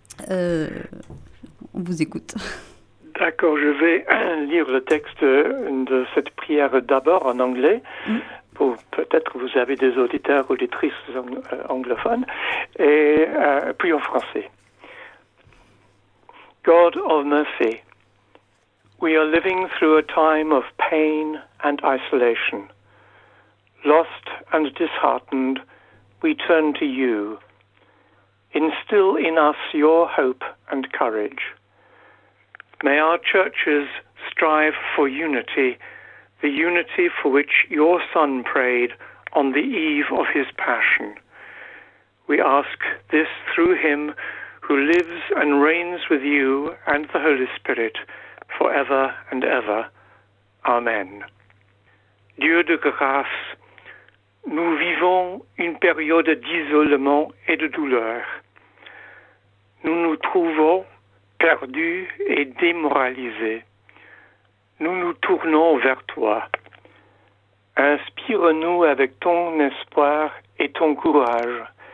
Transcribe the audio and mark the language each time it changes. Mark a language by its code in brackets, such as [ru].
[fr] On vous écoute. D'accord, je vais lire le texte de cette prière d'abord en anglais. Pour, peut-être que vous avez des auditeurs ou auditrices anglophones, et puis en français. [en] God of mercy, we are living through a time of pain and isolation. Lost and disheartened, we turn to you. Instill in us your hope and courage. May our churches strive for unity, the unity for which your Son prayed on the eve of his passion. We ask this through him who lives and reigns with you and the Holy Spirit forever and ever. Amen. [fr] Dieu de grâce, nous vivons une période d'isolement et de douleur. Nous nous trouvons perdus et démoralisés. Nous nous tournons vers toi. Inspire-nous avec ton espoir et ton courage.